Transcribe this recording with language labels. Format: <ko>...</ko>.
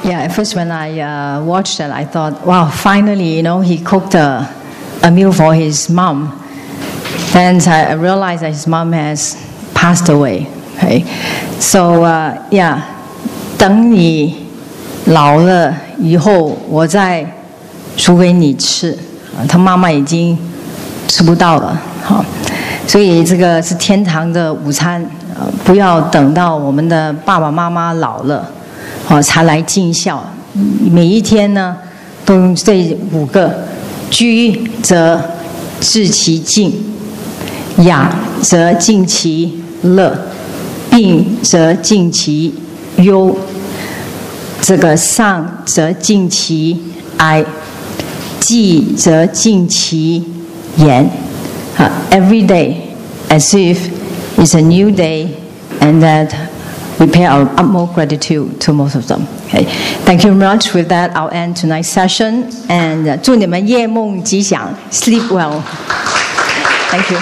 <en>First, when I watched it, I thought, wow, finally, you know, he cooked a meal for his mom. Then I realized that his mom has passed away. Okay? So, yeah,</en> <zh>等你老了以后，我再煮给你吃。他妈妈已经吃不到了。好，所以这个是天堂的午餐，不要等到我们的爸爸妈妈老了。才来尽孝，每一天呢都用这五个，居则致其敬，雅则尽其乐，病则尽其忧，这个丧则尽其哀，祭则尽其言。</zh> <en>Every day as if it's a new day, and thatWe pay our utmost gratitude to most of them. Okay. Thank you very much. With that, I'll end tonight's session. And</en> <zh>祝你们夜梦吉祥,</zh> <en>sleep well. Thank you.</en>